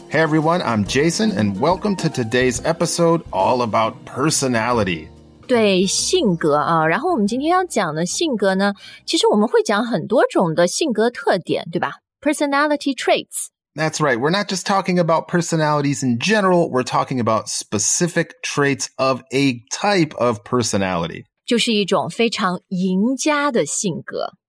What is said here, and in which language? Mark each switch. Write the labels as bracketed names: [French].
[English] Hey everyone, I'm Jason, and welcome to today's episode all about personality. [Chinese] 对，性格啊，然后我们今天要讲的性格呢，其实我们会讲很多种的性格特点，对吧？ [English] Personality traits. That's right. We're not just talking about personalities in general. We're talking about specific traits of a type of personality. [Chinese] 就是一种非常赢家的性格。